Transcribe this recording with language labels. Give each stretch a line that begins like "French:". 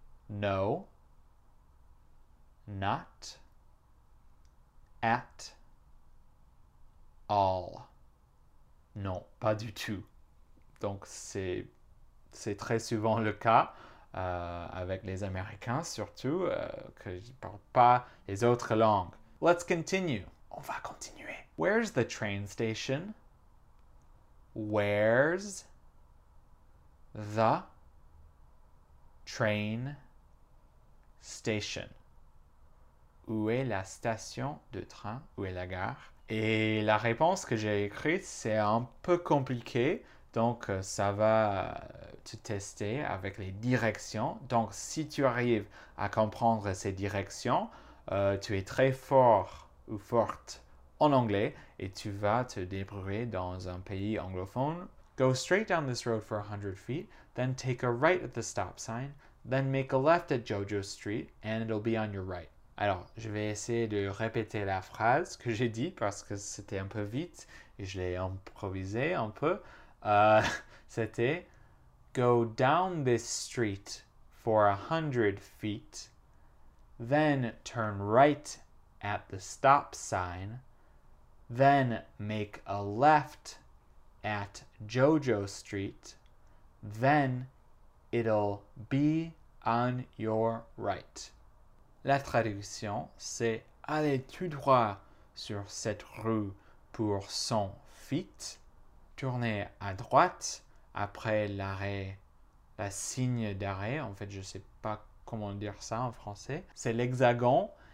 English: No, not at all.
French: Non, pas du tout. Donc c'est très souvent le cas. Avec les Américains surtout, que je ne parle pas les autres langues.
English: Let's continue.
French: On va continuer.
English: Where's the train station? Where's The train station.
French: Où est la station de train? Où est la gare? Et la réponse que j'ai écrite, c'est un peu compliqué. Donc, ça va te tester avec les directions. Donc, si tu arrives à comprendre ces directions, tu es très fort ou forte en anglais et tu vas te débrouiller dans un pays anglophone.
English: Go straight down this road for 100 feet, then take a right at the stop sign, then make a left at Jojo Street, and it'll be on your right.
French: Alors, je vais essayer de répéter la phrase que j'ai dit parce que c'était un peu vite et je l'ai improvisé un peu. C'était
English: Go down this street for 100 feet, then turn right at the stop sign, then make a left at Jojo Street, then it'll be on your right.
French: La traduction, c'est aller tout droit sur cette rue pour 100 feet, tourner à droite après l'arrêt, la signe d'arrêt. En fait, je ne sais pas comment dire ça en français. C'est l'hexagone.